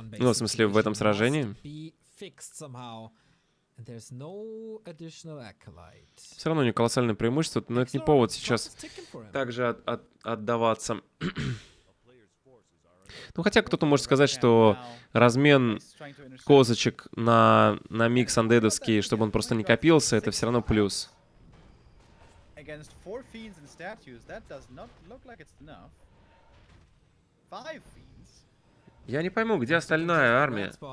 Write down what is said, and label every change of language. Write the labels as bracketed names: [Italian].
[Russian] Ну, в смысле, в этом сражении. Все равно у него колоссальное преимущество, но это не повод сейчас также отдаваться. Ну, хотя кто-то может сказать, что размен козочек на микс андедовский, чтобы он просто не копился, это все равно плюс. [English] Against four fiends and statues, that does not look like it's enough. Five fiends. [Russian] Я не пойму, где остальная армия?